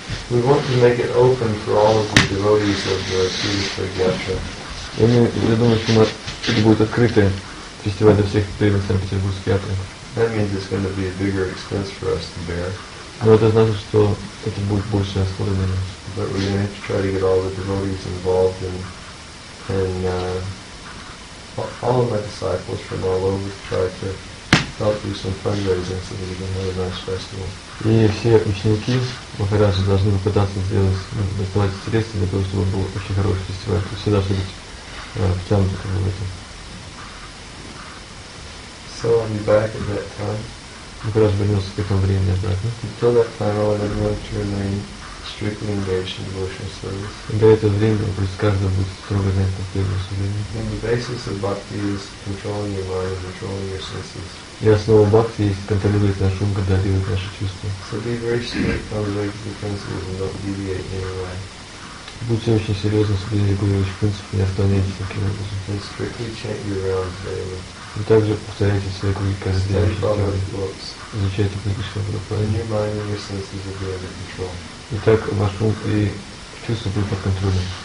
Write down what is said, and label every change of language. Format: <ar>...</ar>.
<en>And we want to make it open for all of the devotees of the Srivastava Gyatra.</en> <ru>Я думаю, что это будет открытый фестиваль для всех преданных Санкт-Петербургской Гиатры.</ru> <en>That means it's going to be a bigger expense for us to bear.</en> <ru>Но это значит, что это будет больше расходы для нас.</ru> <en>But we're going to have to try to get all the devotees involved all of my disciples from all over to try to help do some fundraising so that we can have a nice festival.</en> <ru>И все ученики Махараджи должны попытаться доставать средства для того, чтобы был очень хороший фестиваль. Все должны быть втянуты как в этом.</ru> <en>So I'll be back at that time.</en> <ru>Махарадж вернется к этому времени обратно.</ru> <en>Until that time, I'll have to remain strictly engaged in devotional service.</en> <ru>До этого времени, пусть каждый будет строго занят в первом служении.</ru> <en>And the basis of bhakti is controlling your mind, controlling your senses.</en> <ru>И основа бхакти есть контролировать наш ум, контролировать наши чувства.</ru> <en>So be very strict on the regular principles and don't deviate in any way.</en> <ru>Будьте очень серьезны, соблюдайте регулирующие принципы, не отклоняйтесь таким образом.</ru> <en>And strictly chant your rounds daily.</en> <ru>И также повторяйте свои книги каждый день.</ru> <en>Study Bhagavad books.</en> <ru>Изучайте книги Шрабхупады.</ru> <en>And your mind and your senses will be under control.</en> <ru>И так ваш ум и чувства будут под контролем.</ru>